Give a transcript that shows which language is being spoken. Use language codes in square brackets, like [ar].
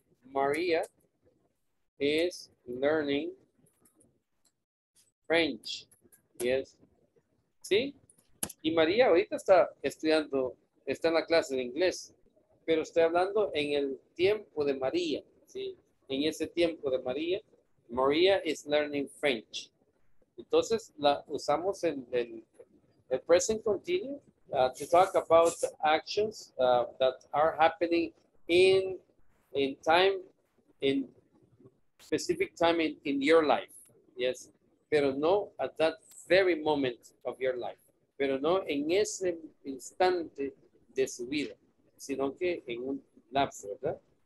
[en] María is learning French, yes. [es] ¿Sí? Y María ahorita está estudiando, está en la clase de inglés, pero estoy hablando en el tiempo de María, ¿sí? En ese tiempo de María, María [en] is learning French. [es] Entonces, la usamos en el [en] present continuous to talk about actions that are happening in time, in specific time in your life, yes. [es] Pero no [en] at that very moment of your life. [es] Pero no en ese instante de su vida, sino que en un lapso, ¿verdad?